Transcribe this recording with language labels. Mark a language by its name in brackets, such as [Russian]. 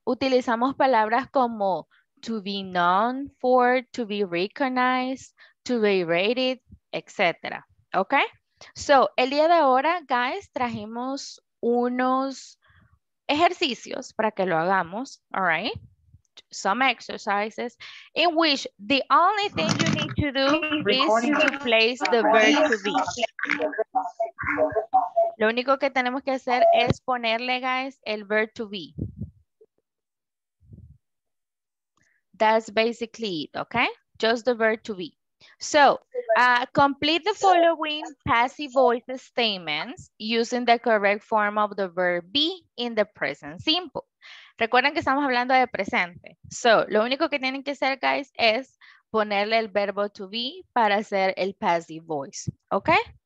[Spanish] Utilizamos palabras como... [English] to be known for, to be recognized, to be rated, [Spanish] etc. ¿Ok? So, el día de ahora, guys, trajimos unos ejercicios para que lo hagamos. [English] All right? Some exercises in which the only thing you need to do is to place the verb to be. [Spanish] Lo único que tenemos que hacer es ponerle, guys, el verb to be. [English] That's basically it, okay? Just the verb to be. So, complete the following passive voice statements using the correct form of the verb be in the present simple. [Spanish] Recuerden que estamos hablando de presente. So, lo único que tienen que hacer, guys, es ponerle el verbo to be para hacer el passive voice, okay?